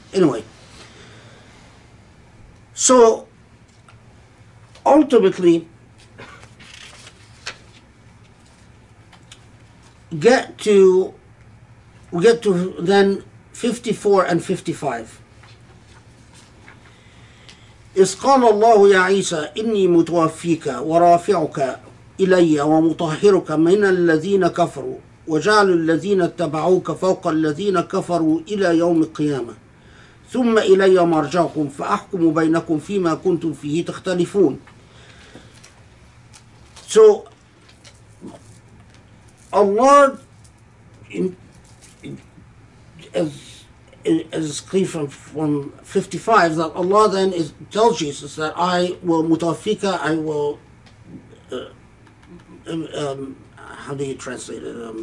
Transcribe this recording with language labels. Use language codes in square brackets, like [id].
[en] Anyway, so ultimately, we get to then 54 and 55. [ar] إسقال الله يا عيسى إني متوفيك ورافعك إلي ومطهرك من الذين كفروا وجعل الذين اتبعوك فوق الذين كفروا إلى يوم القيامة ثم إلي مرجعكم فأحكم بينكم فيما كنتم فيه تختلفون. [en] So Allah, as clear from 55, that Allah then is, tells Jesus that I will mutafika, I will how do you translate it?